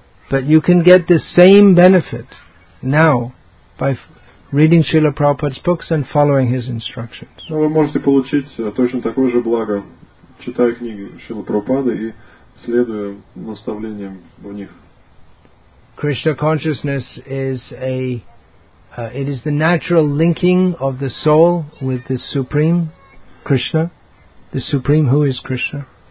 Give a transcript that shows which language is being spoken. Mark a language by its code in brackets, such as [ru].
[en] But you can get the same benefit now by reading Srila Prabhupada's books and following his instructions. [ru] Но вы можете получить точно такое же благо, читая книги Шрилы Прабхупады и следуя наставлениям в них. [en] Krishna consciousness is it is the natural linking of the soul with the Supreme Krishna, the Supreme who is Krishna.